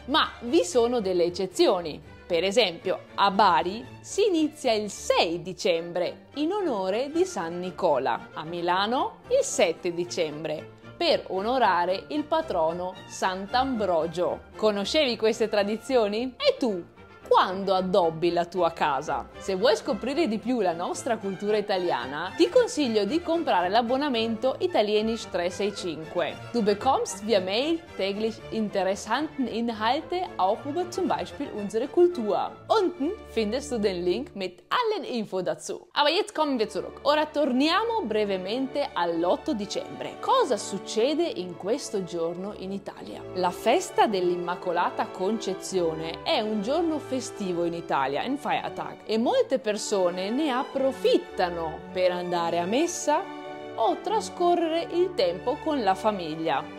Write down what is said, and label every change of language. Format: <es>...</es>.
<it>Ma vi sono delle eccezioni. Per esempio, a Bari si inizia il 6 dicembre in onore di San Nicola, a Milano il 7 dicembre per onorare il patrono Sant'Ambrogio. Conoscevi queste tradizioni? E tu, quando addobbi la tua casa? Se vuoi scoprire di più la nostra cultura italiana, ti consiglio di comprare l'abbonamento Italienisch 365.</it> <de>Du bekommst via Mail täglich interessanten Inhalte, auch über zum Beispiel unsere Kultur. Unten findest du den Link mit allen Info dazu. Aber jetzt kommen wir zurück.</de> <it>Ora torniamo brevemente all'8 dicembre. Cosa succede in questo giorno in Italia? La festa dell'Immacolata Concezione è un giorno festivo in Italia,</it> <de>in Feiertag,</de> <it>e molte persone ne approfittano per andare a messa o trascorrere il tempo con la famiglia.</it>